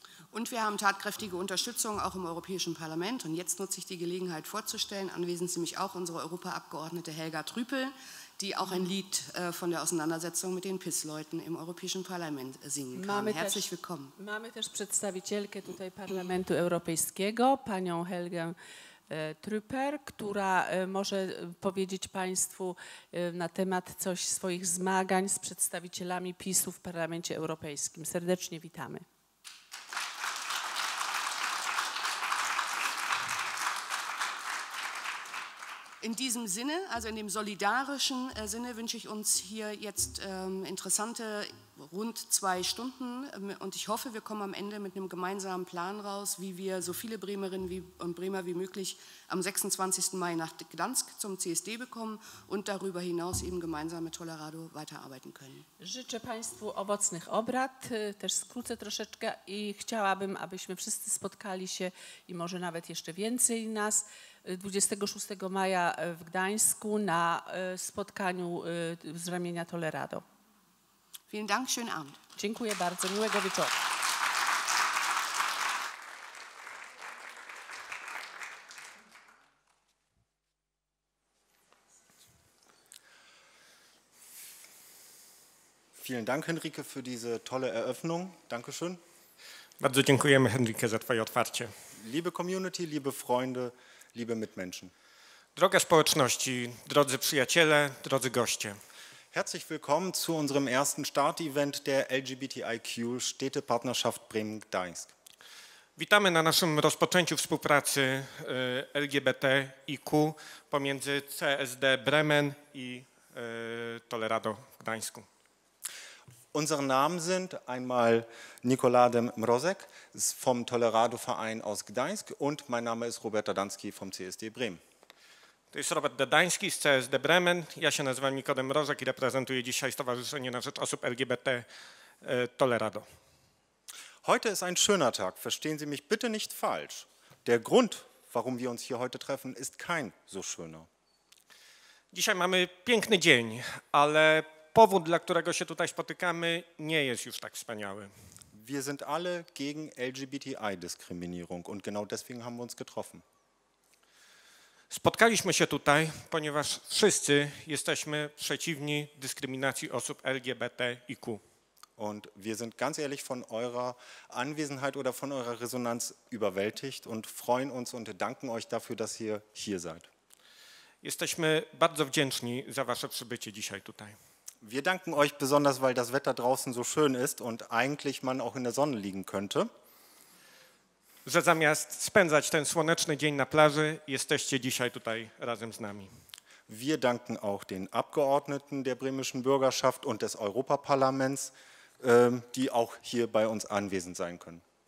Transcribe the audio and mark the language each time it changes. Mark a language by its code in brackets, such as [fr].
[de] Und wir haben tatkräftige Unterstützung auch im Europäischen Parlament. Und jetzt nutze ich die Gelegenheit vorzustellen, anwesend nämlich auch unsere Europaabgeordnete Helga Trüpel, die auch ein Lied von der Auseinandersetzung mit den PiS-Leuten im Europäischen Parlament singen kann. [pl] Mamy [de] herzlich [pl] też, [de] willkommen. [pl] Mamy też przedstawicielkę tutaj Parlamentu Europejskiego, panią Helgę Trüpel, która może powiedzieć Państwu na temat coś swoich zmagań z przedstawicielami PiS-u w Parlamencie Europejskim. Serdecznie witamy. [de] In diesem Sinne, also in dem solidarischen Sinne, wünsche ich uns hier jetzt interessante rund zwei Stunden und ich hoffe, wir kommen am Ende mit einem gemeinsamen Plan raus, wie wir so viele Bremerinnen und Bremer wie möglich am 26. Mai nach Gdansk zum CSD bekommen und darüber hinaus eben gemeinsam mit Tolerado weiterarbeiten können. [pl] Życzę Państwu owocnych obrad, też skrócę troszeczkę i chciałabym, abyśmy wszyscy spotkali się i może nawet jeszcze więcej nas 26 maja w Gdańsku na spotkaniu z ramienia Tolerado. [de] Vielen Dank, schönen Abend. [pl] Dziękuję bardzo, miłego wieczoru. [de] Vielen Dank, Henrike, für diese tolle Eröffnung. Dankeschön. [pl] Bardzo dziękujemy, Henrike, za twoje otwarcie. [de] Liebe Community, liebe Freunde, liebe Mitmenschen. [pl] Droga społeczności, drodzy przyjaciele, drodzy goście. [de] Herzlich willkommen zu unserem ersten Start-Event der LGBTIQ-Städtepartnerschaft Bremen-Gdańsk. [pl] Witamy na naszym rozpoczęciu współpracy LGBTIQ pomiędzy CSD Bremen i Tolerado w Gdańsku. [de] Unsere Namen sind einmal Nikola Dem Mrozek vom Tolerado-Verein aus Gdańsk und mein Name ist Robert Dadanski vom CSD Bremen. [pl] To jest Robert Dadański z CSD Bremen. Ja się nazywam Nikola Dem Mrozek i reprezentuję dzisiaj Stowarzyszenie na Rzecz Osób LGBT Tolerado. [de] Heute ist ein schöner Tag. Verstehen Sie mich bitte nicht falsch. Der Grund, warum wir uns hier heute treffen, ist kein so schöner. [pl] Dzisiaj mamy piękny dzień, ale powód, dla którego się tutaj spotykamy, nie jest już tak wspaniały. [de] Wir sind alle gegen LGBTI-Diskriminierung und genau deswegen haben wir uns getroffen. [pl] Spotkaliśmy się tutaj, ponieważ wszyscy jesteśmy przeciwni dyskryminacji osób LGBTIQ. [de] Und wir sind ganz ehrlich von eurer Anwesenheit oder von eurer Resonanz überwältigt und freuen uns und danken euch dafür, dass ihr hier seid. [pl] Jesteśmy bardzo wdzięczni za wasze przybycie dzisiaj tutaj. [de] Wir danken euch besonders, weil das Wetter draußen so schön ist und eigentlich man auch in der Sonne liegen könnte. [pl] Że zamiast spędzać ten słoneczny dzień na plaży, jesteście dzisiaj tutaj razem z nami. [de] Wir danken auch den Abgeordneten der Bremischen Bürgerschaft und des Europaparlaments, die auch hier bei uns anwesend sein können.